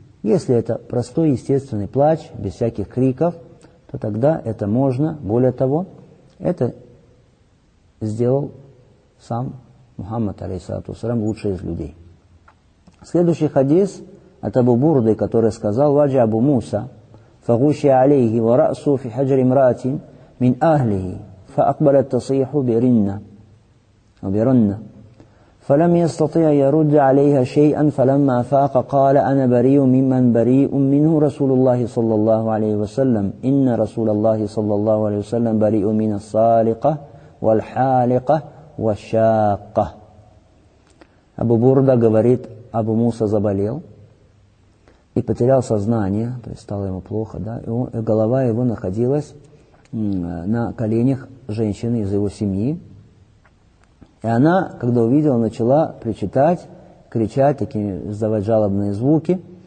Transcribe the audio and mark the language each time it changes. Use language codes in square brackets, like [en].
[ru] Если это простой естественный плач, без всяких криков, то тогда это можно. Более того, это сделал сам Мухаммад, [ar] алейхиссалату вассалям, [ru] лучший из людей. Следующий хадис от Абу Бурды, который сказал: «Ваджи Абу Муса». [ar] فغشي عليه ورأسه في حجر امرأة من أهله فأقبل التصيح برنة فلم يستطع يرد عليها شيئا فلما فاق قال أنا بريء ممن بريء منه رسول الله صلى الله عليه وسلم إن رسول الله صلى الله عليه وسلم بريء من الصالقة والحالقة والشاقة. [ru] أبو بردة говорит, أبو موسى заболел и потерял сознание, то есть стало ему плохо, да, и голова его находилась на коленях женщины из его семьи. И она, когда увидела, начала причитать, кричать, такие, издавать жалобные звуки.